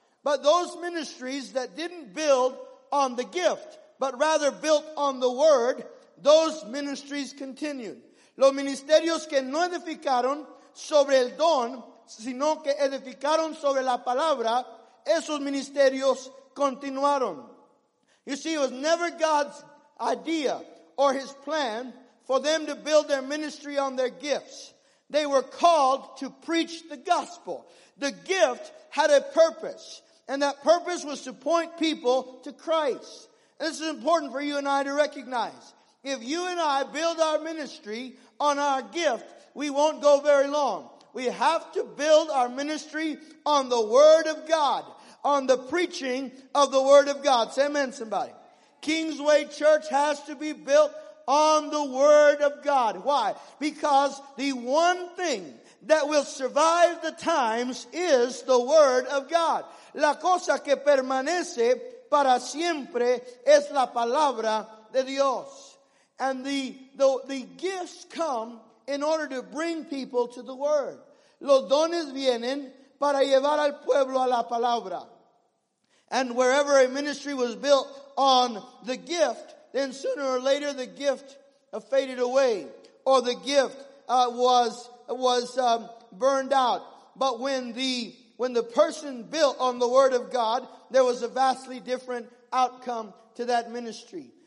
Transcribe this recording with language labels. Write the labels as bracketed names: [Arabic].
[English] But those ministries that didn't build on the gift, but rather built on the word, those ministries continued. [Spanish] Los ministerios que no edificaron sobre el don, sino que edificaron sobre la palabra, esos ministerios continuaron. [English] You see, it was never God's idea or his plan for them to build their ministry on their gifts. They were called to preach the gospel. The gift had a purpose, and that purpose was to point people to Christ. And this is important for you and I to recognize. If you and I build our ministry on our gift, we won't go very long. We have to build our ministry on the Word of God, on the preaching of the Word of God. Say amen, somebody. Kingsway Church has to be built on the Word of God. Why? Because the one thing that will survive the times is the Word of God. [Spanish] La cosa que permanece para siempre es la palabra de Dios. [English] And the gifts come in order to bring people to the Word. [Spanish] Los dones vienen para llevar al pueblo a la palabra. [English] And wherever a ministry was built on the gift, then sooner or later the gift faded away, or the gift was burned out. But when the person built on the Word of God, there was a vastly different outcome to that ministry.